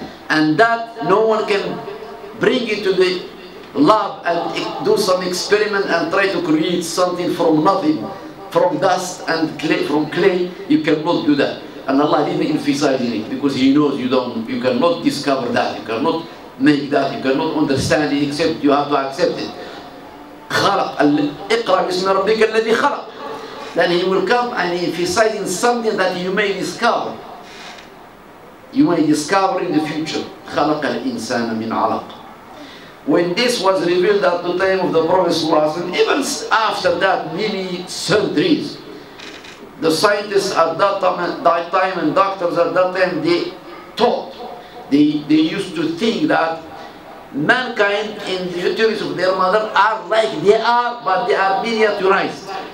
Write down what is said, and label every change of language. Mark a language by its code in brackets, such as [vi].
[en] And that no one can bring it to the lab and do some experiment and try to create something from nothing, from dust and clay, from clay, you cannot do that. And Allah didn't emphasize in it because he knows you cannot discover that, you cannot make that, you cannot understand it, except you have to accept it. [ar] خلق اقرأ باسم ربك الذي خلق. [en] Then he will come and emphasize in something that you may discover. You may discover in the future. [ar] خلق الإنسان من علق. [en] When this was revealed at the time of the Prophet, even after that, many centuries, the scientists at that time and doctors at that time, they thought, they used to think that mankind in the uterus of their mother are like they are, but they are miniaturized.